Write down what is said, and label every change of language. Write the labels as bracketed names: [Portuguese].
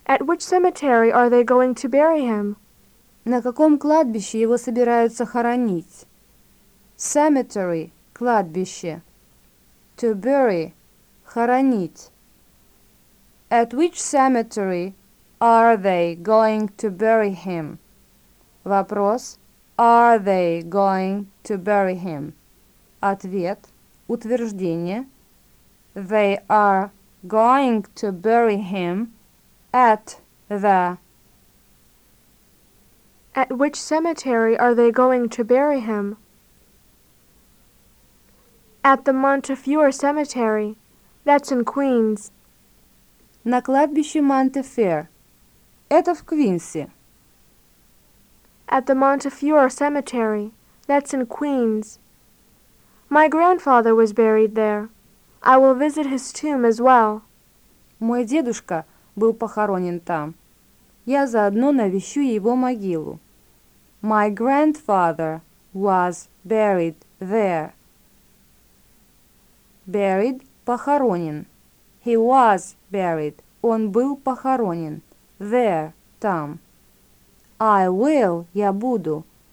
[English] At which cemetery are they going to bury him? [Russian] На каком кладбище его собираются хоронить? [English] Cemetery – [Russian] кладбище. [English] To bury – [Russian] хоронить. [English] At which cemetery are they going to bury him? [Russian] Вопрос. [English] Are they going to bury him? [Russian] Ответ. Утверждение. [English] They are going to bury him at the... At which cemetery are they going to bury him? At the Montefiore Cemetery. That's in Queens. [Russian] На кладбище Монтефьор. Это в Квинсе. [English] At the Montefiore Cemetery. That's in Queens. My grandfather was buried there. I will visit his tomb as well. [Russian] Мой дедушка был похоронен там. Я заодно навещу его могилу. [English] My grandfather was buried there. Buried – [Russian] похоронен. [English] He was buried. [Russian] Он был похоронен. [English] There – [Russian] там. [English] I will – [Russian] я буду.